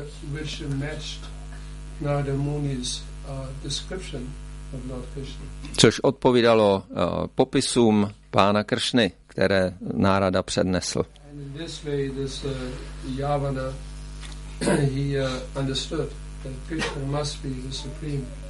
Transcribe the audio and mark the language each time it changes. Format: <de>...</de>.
<en>Which matched Narada Muni's description of Lord Krishna.</en> <cs>Což odpovídalo popisům pána Kršny, které Narada přednesl.</cs> <en>And in this way, this Yavana, he understood that Krishna must be the supreme.</en>